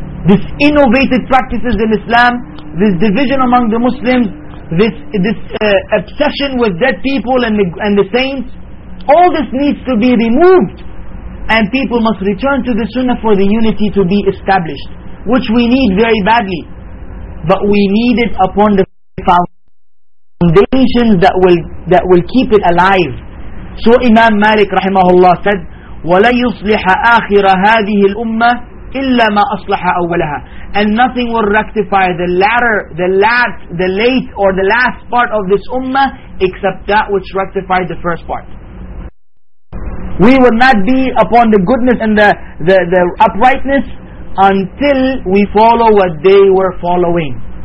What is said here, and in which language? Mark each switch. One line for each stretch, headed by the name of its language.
English: This innovative practices in Islam, this division among the Muslims, this obsession with dead people and the saints, all this needs to be removed. And people must return to the Sunnah for the unity to be established, which we need very badly. But we need it upon the foundations that will keep it alive. So Imam Malik rahimahullah said,
Arabic: وَلَيُصْلِحَ آخِرَ هَذِهِ الْأُمَّةِ إِلَّا مَا أَصْلَحَ أَوَّلَهَا.
English: And nothing will rectify the last part of this ummah except that which rectified the first part. We will not be upon the goodness and the uprightness until we follow what they were following.